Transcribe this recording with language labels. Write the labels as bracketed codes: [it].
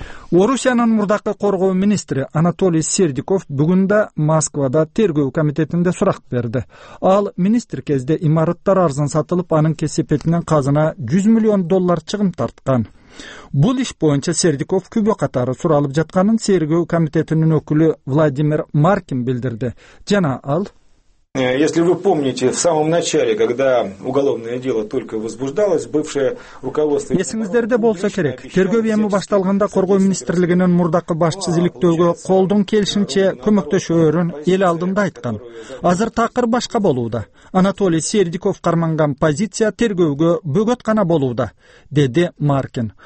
[ky] Орусиянын мурдакы коргоо министри Анатолий Сердюков бүгүн да Москвада тергөө комитетинде сурак берди. Ал министр кезде имараттар арзан сатылып, анын кесепетинен казына 100 миллион доллар чыгым тарткан. Бул иш боюнча Сердюков күбө катары суралып жатканын тергөө комитетинин өкүлү Владимир Маркин билдирди. Жана ал: [ru] Если вы помните, в самом начале, когда уголовное дело только возбуждалось, бывшее руководство... [ky] Эсиңиздерде болсо керек, тергөө эми башталганда коргоо министрлигинин мурдакы башчы иликтөөгө колдон келишинче көмөктөшөөрүн эл алдында айткан. Азыр такыр башка болууда. Анатолий Сердюков карманган позиция тергөөгө бөгөт гана болууда, деди Маркин.